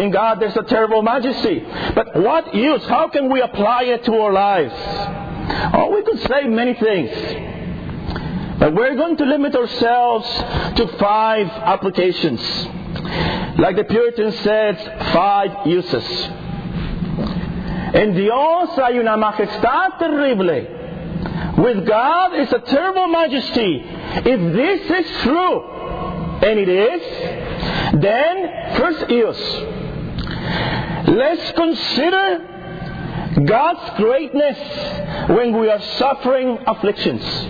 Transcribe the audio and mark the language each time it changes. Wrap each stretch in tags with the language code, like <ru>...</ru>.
<en>In God, there's a terrible majesty. But what use? How can we apply it to our lives? Oh, we could say many things. But we're going to limit ourselves to five applications. Like the Puritan said, five uses.</en> <es>En Dios hay una majestad terrible.</es> <en>With God is a terrible majesty. If this is true, and it is, then first use. Let's consider God's greatness when we are suffering afflictions.</en>